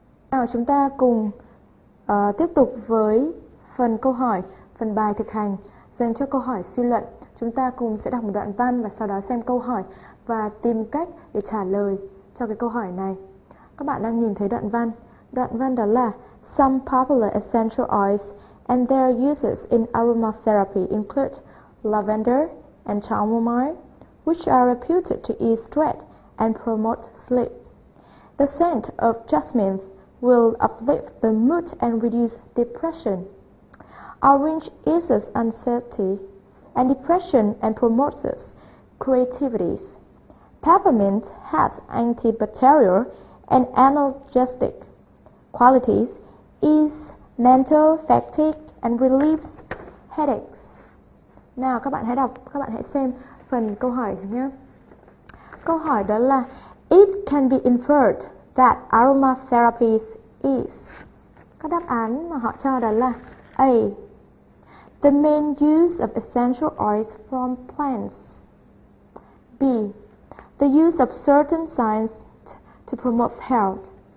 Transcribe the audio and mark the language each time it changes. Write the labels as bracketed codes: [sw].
[vi] Nào chúng ta cùng tiếp tục với phần câu hỏi, phần bài thực hành dành cho câu hỏi suy luận. Chúng ta cùng sẽ đọc một đoạn văn và sau đó xem câu hỏi và tìm cách để trả lời cho cái câu hỏi này. Các bạn đang nhìn thấy đoạn văn. Đoạn văn đó là: [en] Some popular essential oils and their uses in aromatherapy include lavender and chamomile, which are reputed to ease stress and promote sleep. The scent of jasmine will uplift the mood and reduce depression. Orange eases anxiety and depression and promotes creativity. Peppermint has antibacterial and analgesic qualities, ease mental fatigue and relieves headaches. [vi] Nào các bạn hãy đọc, các bạn hãy xem phần câu hỏi nhé. Câu hỏi đó là: [en] It can be inferred that aromatherapy is. [vi] Các đáp án mà họ cho đó là: A. [en] The main use of essential oils from plants. B. The use of certain signs to promote health.